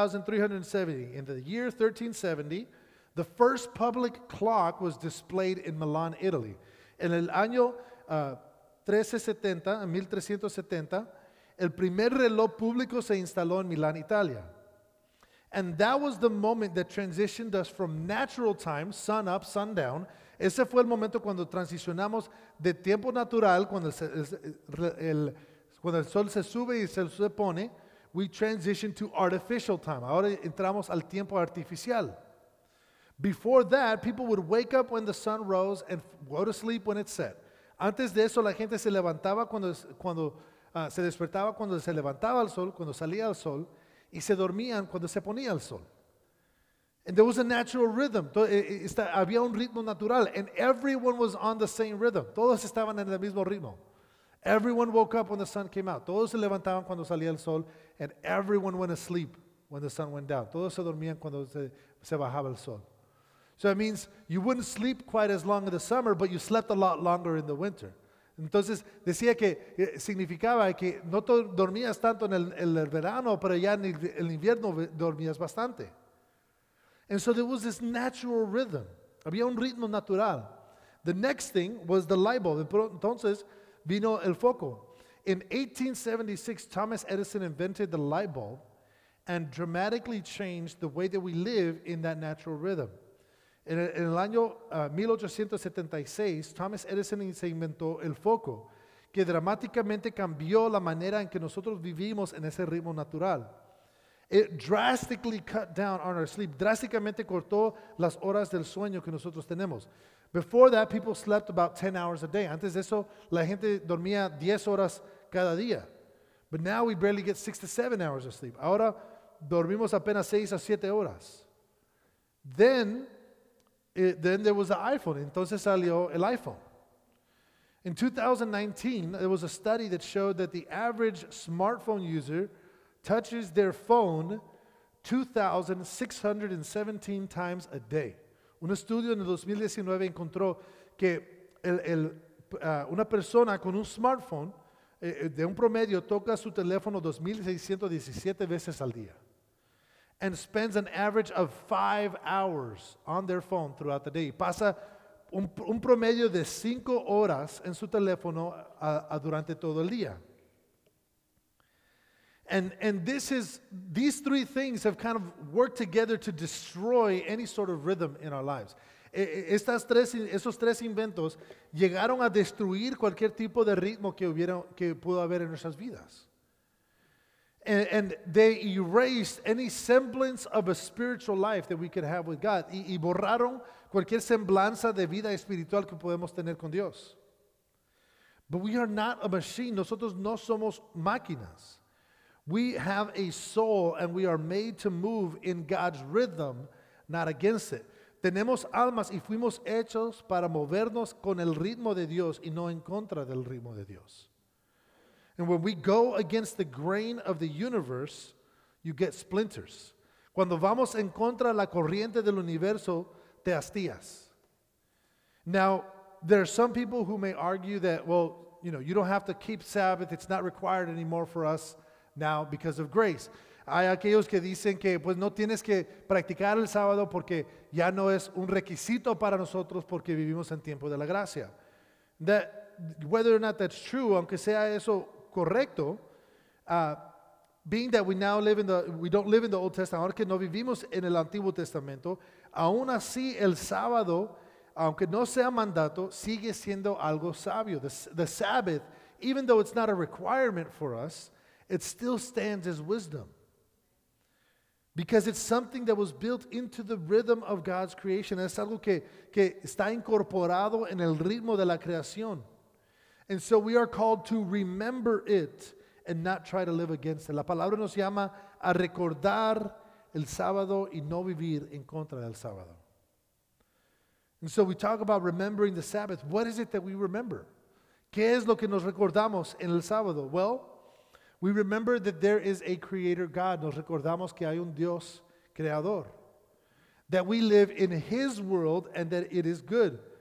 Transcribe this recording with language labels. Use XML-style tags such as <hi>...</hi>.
<en>In the year 1370, the first public clock was displayed in Milan, Italy.</en> <es>En el año 1370, el primer reloj público se instaló en Milán, Italia.</es> <en>And that was the moment that transitioned us from natural time, sun up, sun down.</en> <es>Ese fue el momento cuando transicionamos de tiempo natural, cuando el sol se sube y se pone,</es> <en>we transition to artificial time.</en> <es>Ahora entramos al tiempo artificial.</es> <en>Before that, people would wake up when the sun rose and go to sleep when it set.</en> <es>Antes de eso, la gente se levantaba se despertaba cuando se levantaba el sol, cuando salía el sol, y se dormían cuando se ponía el sol.</es> <en>And there was a natural rhythm.</en> <es>Había un ritmo natural,</es> <en>and everyone was on the same rhythm.</en> <es>Todos estaban en el mismo ritmo.</es> <en>Everyone woke up when the sun came out.</en> <es>Todos se levantaban cuando salía el sol.</es> <en>And everyone went asleep when the sun went down.</en> <es>Todos se dormían cuando se bajaba el sol.</es> <en>So that means you wouldn't sleep quite as long in the summer, but you slept a lot longer in the winter.</en> <es>Entonces decía que significaba que no dormías tanto en el verano, pero ya en el invierno dormías bastante.</es> <en>And so there was this natural rhythm.</en> <es>Había un ritmo natural.</es> <en>The next thing was the light bulb.</en> <es>Entonces vino el foco.</es> <en>In 1876, Thomas Edison invented the light bulb and dramatically changed the way that we live in that natural rhythm.</en> <es>En el año 1876, Thomas Edison se inventó el foco, que dramáticamente cambió la manera en que nosotros vivimos en ese ritmo natural.</es> <en>It drastically cut down on our sleep.</en> <es>Drásticamente cortó las horas del sueño que nosotros tenemos.</es> <en>Before that, people slept about 10 hours a day.</en> <es>Antes de eso, la gente dormía 10 horas cada día.</es> <en>But now we barely get 6 to 7 hours of sleep.</en> <es>Ahora dormimos apenas 6 a 7 horas.</es> <en>Then there was the iPhone.</en> <es>Entonces salió el iPhone.</es> <en>In 2019, there was a study that showed that the average smartphone user touches their phone 2,617 times a day.</en> <es>Un estudio en el 2019 encontró que una persona con un smartphone de un promedio toca su teléfono 2,617 veces al día</es> <en>and spends an average of 5 hours on their phone throughout the day.</en> <es>Pasa un promedio de 5 horas en su teléfono durante todo el día.</es> <en>And these three things have kind of worked together to destroy any sort of rhythm in our lives.</en> <es>Esos tres inventos llegaron a destruir cualquier tipo de ritmo que pudo haber en nuestras vidas.</es> <en>And they erased any semblance of a spiritual life that we could have with God.</en> <es>Y borraron cualquier semblanza de vida espiritual que podemos tener con Dios.</es> <en>But we are not a machine.</en> <es>Nosotros no somos máquinas.</es> <en>We have a soul and we are made to move in God's rhythm, not against it.</en> <es>Tenemos almas y fuimos hechos para movernos con el ritmo de Dios y no en contra del ritmo de Dios.</es> <en>And when we go against the grain of the universe, you get splinters.</en> <es>Cuando vamos en contra la corriente del universo, te hastías.</es> <en>Now, there are some people who may argue that, well, you know, you don't have to keep Sabbath. It's not required anymore for us now because of grace.</en> <es>Hay aquellos que dicen que pues no tienes que practicar el sábado porque ya no es un requisito para nosotros porque vivimos en tiempo de la gracia.</es> <en>That whether or not that's true,</en> <es>aunque sea eso correcto,</es> <en>being that we don't live in the Old Testament,</en> <es>ahora que no vivimos en el Antiguo Testamento, aún así el sábado, aunque no sea mandato, sigue siendo algo sabio.</es> <en>The Sabbath, even though it's not a requirement for us, it still stands as wisdom because it's something that was built into the rhythm of God's creation.</en> <es>Es algo que está incorporado en el ritmo de la creación.</es> <en>And so we are called to remember it and not try to live against it.</en> <es>La palabra nos llama a recordar el sábado y no vivir en contra del sábado.</es> <en>And so we talk about remembering the Sabbath. What is it that we remember?</en> <es>¿Qué es lo que nos recordamos en el sábado?</es> <en>Well, we remember that there is a creator God.</en> <es>Nos recordamos que hay un Dios creador.</es> <en>That we live in his world and that it is good.</en>